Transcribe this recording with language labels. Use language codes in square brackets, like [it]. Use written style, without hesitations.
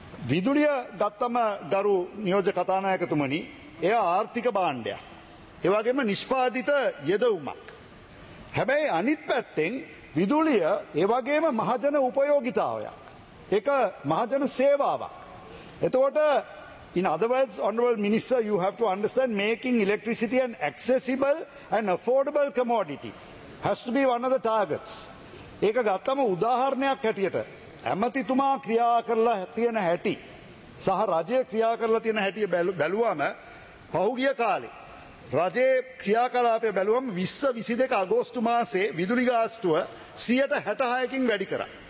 [si] විදුලිය ගත්තම දරු නියෝජ්‍ය කතානායකතුමනි, එය ආර්ථික භාණ්ඩයක්. ඒ වගේම නිෂ්පාදිත යෙදවුමක්. හැබැයි අනිත් පැත්තෙන් විදුලිය ඒ වගේම මහජන උපයෝගිතාවයක්. ඒක මහජන සේවාවක්. එතකොට [en] in other words, honorable minister, you have to understand making electricity an accessible and affordable commodity has to be one of the targets. [si] ඒක ගත්තම උදාහරණයක් හැටියට ඇමතිතුමා ක්‍රියා කරලා තියෙන හැටි සහ රජය ක්‍රියා කරලා තියෙන හැටි බැලුවම පහුගිය කාලේ රජයේ ක්‍රියාකලාපය බැලුවම 2022 අගෝස්තු මාසයේ විදුලි ගාස්තුව 66%කින් වැඩි කරා.